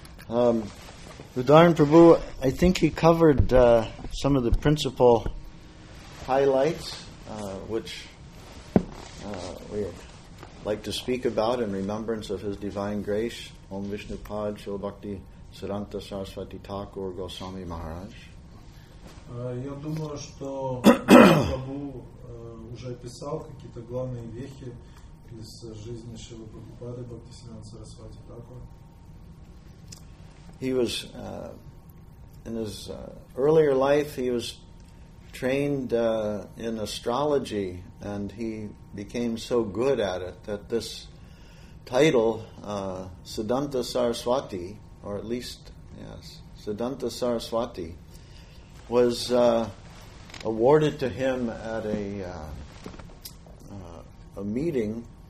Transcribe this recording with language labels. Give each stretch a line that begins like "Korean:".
English: Udarn Prabhu, I think he covered some of the principal highlights, which we like to speak about in remembrance of his divine grace, Om Vishnu Pad Shila Bhakti Siddhanta Saraswati Thakur Goswami Maharaj.
Russian: Я думаю, что Прабху уже описал какие-то главные вехи из жизни Шрилы Прабхупады Бхактисиддханты Сарасвати Тхакур.
English: He was in his earlier life he was trained in astrology and he became so good at it that this title Siddhanta Saraswati, or at least yes, Siddhanta Saraswati was awarded to him at a meeting